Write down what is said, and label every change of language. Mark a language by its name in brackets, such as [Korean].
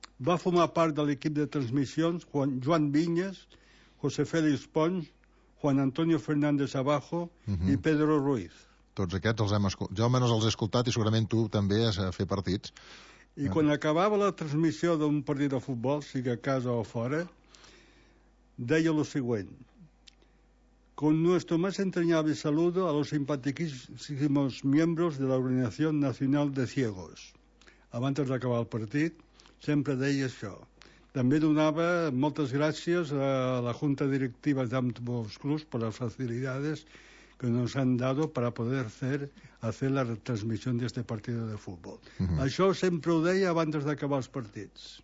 [Catalan] Va formar part de l'equip de transmissions Joan Viñas, José Félix Pons, Juan Antonio Fernández Abajo i Pedro Ruiz. Tots aquests els hem escoltat. Jo almenys els he escoltat i segurament tu també has de fer partits. I quan acabava la transmissió d'un partit de futbol, sigui a casa o fora, deia lo següent. [Spanish] Con nuestro más entrañable saludo a los simpatiquísimos miembros de la Organización Nacional de Ciegos. [Catalan] Abans d'acabar el partit, sempre deia això. També donava moltes gràcies a la Junta Directiva d'Ambos Clubs per les facilitats que ens han dado per a poder fer la retransmissió d'este partit de futbol. Uh-huh. Això sempre ho deia abans d'acabar els partits.